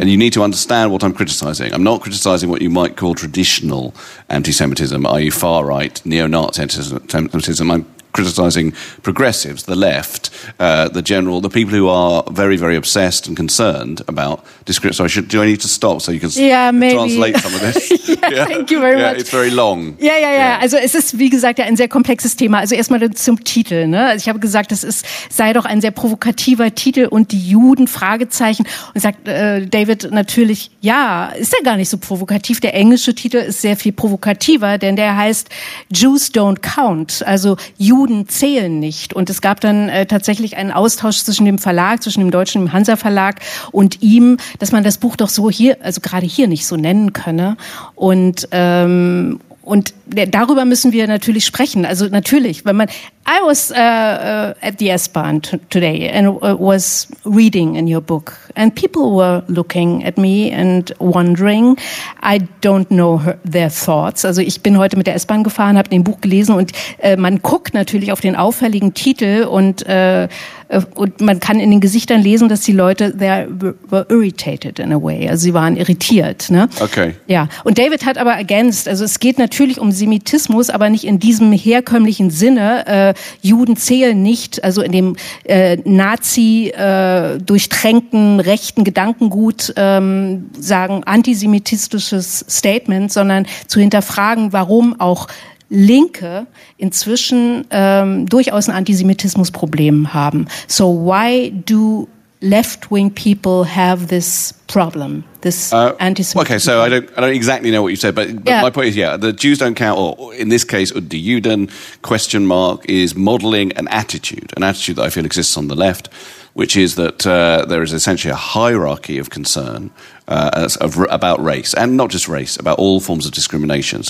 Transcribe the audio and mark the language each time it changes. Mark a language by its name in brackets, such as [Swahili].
[English] And you need to understand what I'm criticizing. I'm not criticizing what you might call traditional anti-Semitism, i.e. far-right, neo-Nazi anti-Semitism. I'm criticizing progressives, the left, the general, the people who are very, very obsessed and concerned about description. Sorry, do I need to stop so you can translate some of this? thank you very much. It's very long. [German] Also es ist, wie gesagt, ein sehr komplexes Thema. Also erstmal zum Titel. Ne? Also ich habe gesagt, es sei doch ein sehr provokativer Titel und die Juden, Fragezeichen. Und sagt David natürlich, ja, ist ja gar nicht so provokativ. Der englische Titel ist sehr viel provokativer, denn der heißt Jews Don't Count. Also Juden zählen nicht. Und es gab dann tatsächlich einen Austausch zwischen dem Verlag, zwischen dem deutschen Hansa Verlag und ihm, dass man das Buch doch so hier, also gerade hier nicht so nennen könne. Und darüber müssen wir natürlich sprechen. Also natürlich, wenn man, [English] I was at the S-Bahn today and was reading in your book and people were looking at me and wondering. I don't know their thoughts. [German] Also ich bin heute mit der S-Bahn gefahren, habe den Buch gelesen und man guckt natürlich auf den auffälligen Titel und man kann in den Gesichtern lesen, dass die Leute [English] they were irritated in a way. [German] Also sie waren irritiert. Ne? Okay. Ja. Und David hat aber ergänzt. Also es geht natürlich um Semitismus, aber nicht in diesem herkömmlichen Sinne. Juden zählen nicht, also in dem Nazi-durchtränkten rechten Gedankengut sagen antisemitistisches Statement, sondern zu hinterfragen, warum auch Linke inzwischen durchaus ein Antisemitismusproblem haben. [English] So why do left-wing people have this problem, this antisemitism? Okay, so I don't exactly know what you said, but my point is, yeah, the Jews don't count, or in this case, the Juden question mark is modeling an attitude that I feel exists on the left, which is that there is essentially a hierarchy of concern about race, and not just race, about all forms of discrimination.